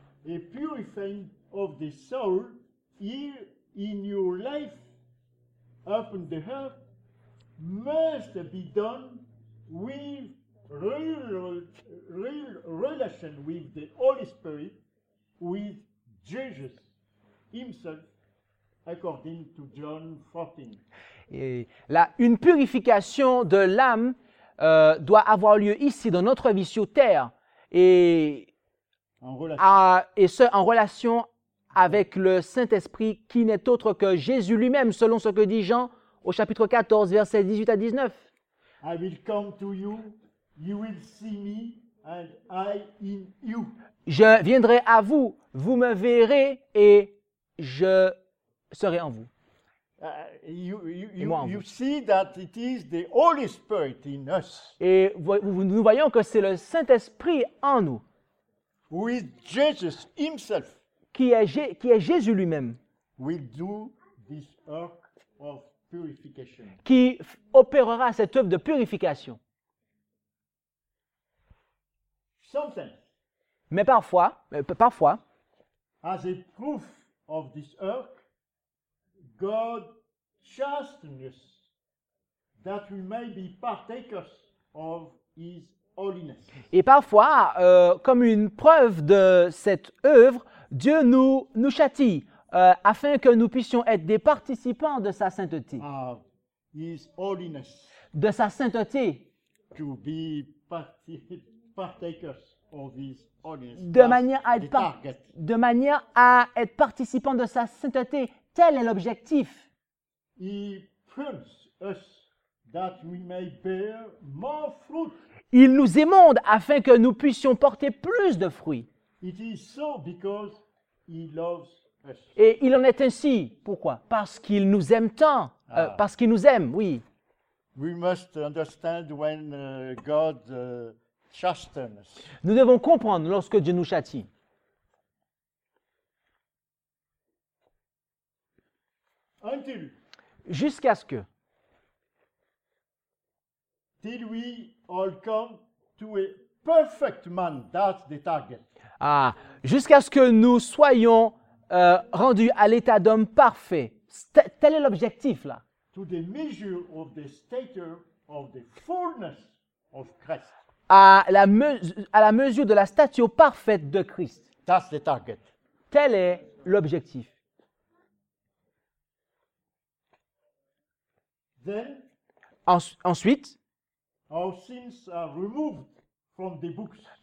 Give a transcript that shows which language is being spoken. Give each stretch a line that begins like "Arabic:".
English: A purifying of the soul here in your life upon the earth must be done with real relation with the Holy Spirit, with Jesus himself, according to John 14.
French: Et là, une purification de l'âme doit avoir lieu ici dans notre vie sur terre. Et en relation avec le Saint-Esprit qui n'est autre que Jésus lui-même, selon ce que dit Jean au chapitre 14, versets 18 à 19.
English: I will come to you, you will see me, and I in you.
French: Je viendrai à vous, vous me verrez et je serai en vous.
English: You see that it is the Holy Spirit in us.
French: Et nous voyons que c'est le Saint-Esprit en nous.
English: With Jesus himself.
French: Qui est Jésus lui-même.
English: Will do this work of purification.
French: Qui opérera cette œuvre de purification.
English: Sometimes.
French: Mais parfois.
English: As a proof of this work, God chasteness that we may be partakers of his holiness.
French: Et parfois, comme une preuve de cette œuvre, Dieu nous châtie afin que nous puissions être des participants de sa sainteté.
English: His holiness.
French: De sa sainteté.
English: To be partakers of his holiness.
French: De manière à être participant de sa sainteté. Tel est l'objectif.
English: He prunes us that we may bear more fruit.
French: Il nous émonde afin que nous puissions porter plus de fruits.
English: It is so because he loves us.
French: Et il en est ainsi. Pourquoi? Parce qu'il nous aime tant. Ah. Parce qu'il nous aime, oui.
English: We must understand when God chastens.
French: Nous devons comprendre lorsque Dieu nous châtie.
English: Until
French: Jusqu'à ce que.
English: we all come to a perfect man, that's the target.
French: Ah, jusqu'à ce que nous soyons rendus à l'état d'homme parfait. Tel est l'objectif là.
English: To the measure of the stature of the fullness of Christ.
French: À la mesure de la stature parfaite de Christ.
English: That's the target.
French: Tel est l'objectif.
English: Then,
French: Ensuite,
English: our sins are removed from the books.